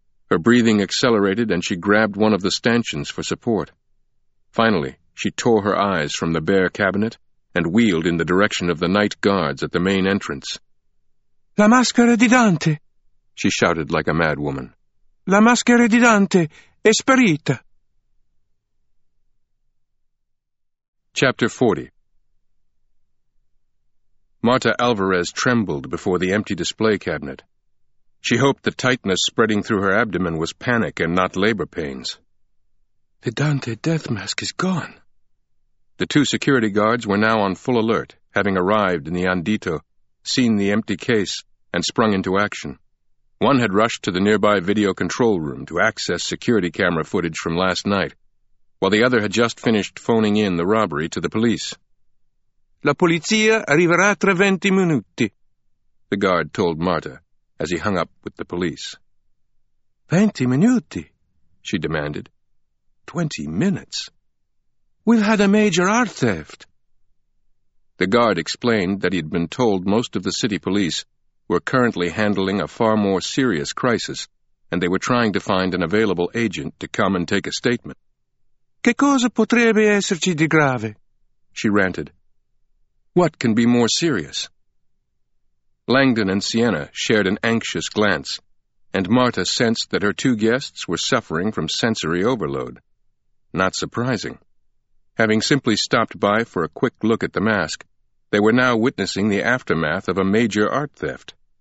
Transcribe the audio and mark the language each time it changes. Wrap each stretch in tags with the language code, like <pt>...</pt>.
<en>Her breathing accelerated and she grabbed one of the stanchions for support. Finally, she tore her eyes from the bare cabinet and wheeled in the direction of the night guards at the main entrance.</en> <it>La maschera di Dante!</it> <en>She shouted like a madwoman.</en> <it>La maschera di Dante è sparita!</it> <en>Chapter 40. Marta Alvarez trembled before the empty display cabinet. She hoped the tightness spreading through her abdomen was panic and not labor pains. The Dante death mask is gone. The two security guards were now on full alert, having arrived in the Andito, seen the empty case, and sprung into action. One had rushed to the nearby video control room to access security camera footage from last night, while the other had just finished phoning in the robbery to the police.</en> <it>La polizia arriverà tra 20 minuti,</it> <en>the guard told Marta as he hung up with the police.</en> <it>20 minuti?</it> <en>She demanded. 20 minutes? We've had a major art theft. The guard explained that he'd been told most of the city police were currently handling a far more serious crisis, and they were trying to find an available agent to come and take a statement.</en> <it>Che cosa potrebbe esserci di grave?</it> <en>She ranted. What can be more serious? Langdon and Sienna shared an anxious glance, and Marta sensed that her two guests were suffering from sensory overload. Not surprising. Having simply stopped by for a quick look at the mask, they were now witnessing the aftermath of a major art theft.</en>